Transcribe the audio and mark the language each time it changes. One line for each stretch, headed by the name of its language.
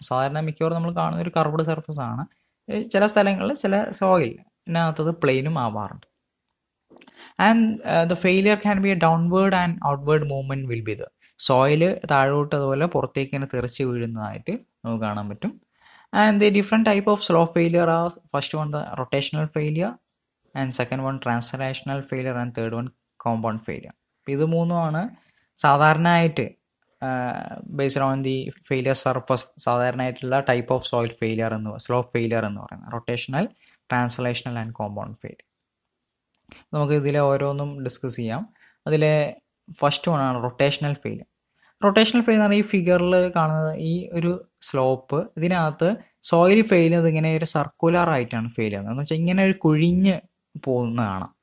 Malayalam: സാധാരണ മിക്കവാറും നമ്മൾ കാണുന്ന ഒരു കർവ്ഡ് സർഫസ് ആണ്. ചില സ്ഥലങ്ങളിൽ ചില സോയിൽ ഇതിനകത്തത് പ്ലെയിനും ആവാറുണ്ട്.
English: and the failure can be a downward and outward movement will be the soil
Malayalam: താഴോട്ട് അതുപോലെ പുറത്തേക്ക് ഇങ്ങനെ തെറിച്ച് വീഴുന്നതായിട്ട് നമുക്ക് കാണാൻ പറ്റും.
English: And the different type of slope failure are first one the rotational failure and second one translational failure and third one compound failure.
Malayalam: ഇത് മൂന്നുമാണ് സാധാരണയായിട്ട്
English: based on the failure surface
Malayalam: സാധാരണയായിട്ടുള്ള type of soil failure എന്ന് slope failure എന്ന് പറയുന്നത് rotational translational and compound failure. നമുക്ക് ഇതിലെ ഓരോന്നും discuss ചെയ്യാം. അതിലെ ഫസ്റ്റ് വൺ ആണ് റൊട്ടേഷണൽ ഫെയിലിയർ. റൊട്ടേഷണൽ ഫെയിലിയർ എന്ന് പറഞ്ഞാൽ ഈ ഫിഗറിൽ കാണുന്നത് ഈ ഒരു സ്ലോപ്പ്, ഇതിനകത്ത് സോയിൽ ഫെയിലിയർ ഇങ്ങനെ ഒരു സർക്കുലർ ആയിട്ടാണ് ഫെയിലിയർ എന്ന് വെച്ചാൽ ഇങ്ങനെ ഒരു കുഴിഞ്ഞ് പോകുന്ന കാണാം.